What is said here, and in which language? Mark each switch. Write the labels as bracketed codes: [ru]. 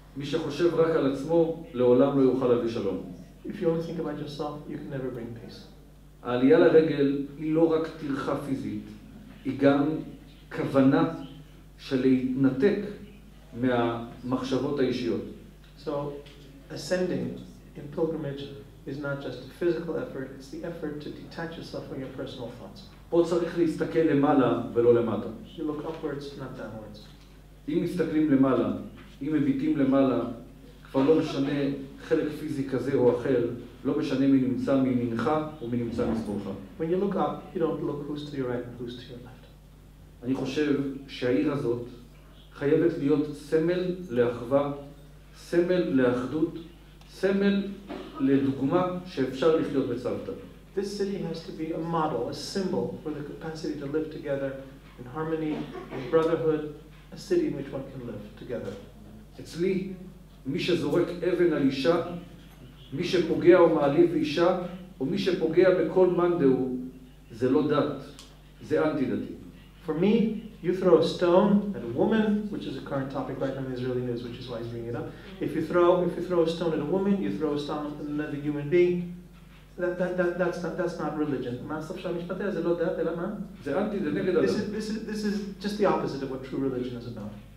[he] מי שחושב רק על עצמו, לעולם לא יוכל להביא שלום. [en] If you only think about yourself, you can never bring peace. [he] העלייה לרגל היא לא רק טרחה פיזית, היא גם כוונה של להתנתק מהמחשבות האישיות. [en] So, ascending in pilgrimage is not just a physical effort, it's the effort to detach yourself from your personal thoughts. [he] פה צריך להסתכל למעלה ולא למטה. [en] You look upwards, not downwards. [he] אם מסתכלים למעלה, אם מביטים למעלה, כבר לא משנה חלק פיזי כזה או אחר, לא משנה מי נמצא מימינך ומי נמצא משמאלך. [en] When you look up, you don't look who's to your right and who's to your left. [he] אני חושב שהעיר הזאת חייבת להיות סמל לאחווה, סמל לאחדות, סמל לדוגמה שאפשר לחיות בצוותא. [en] This city has to be a model, a symbol for the capacity to live together in harmony, in brotherhood, a city in which one can live together. [he] אצלי, מי שזורק אבן על אישה, מי שפוגע או מעליב אישה, או מי שפוגע בכל מאן דהוא, זה לא דת, זה אנטי-דתי. [en] For me, you throw a stone at a woman, which is a current topic right now in Israeli news, which is why he's bringing it up. If you throw a stone at a woman, you throw a stone at another human being. That's not religion. This is just the opposite of what true religion is about.